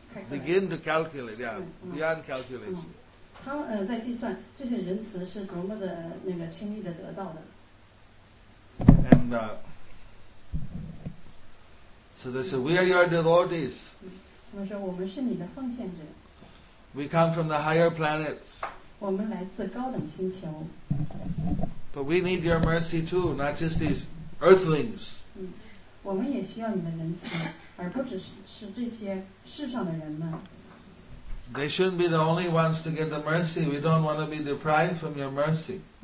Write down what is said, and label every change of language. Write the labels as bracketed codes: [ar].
[en] Begin to calculate, yeah, beyond calculation. [zh] 他在计算这些仁慈是多么的那个轻易的得到的。 [en] And so they said, "We are your devotees." [zh] 他们说我们是你的奉献者。 [en] We come from the higher planets. [zh] 我们来自高等星球。 [en] But we need your mercy too, not just these earthlings. [zh] 我们也需要你的仁慈，而不只是这些世上的人们。 [en] They shouldn't be the only ones to get the mercy. We don't want to be deprived from your mercy.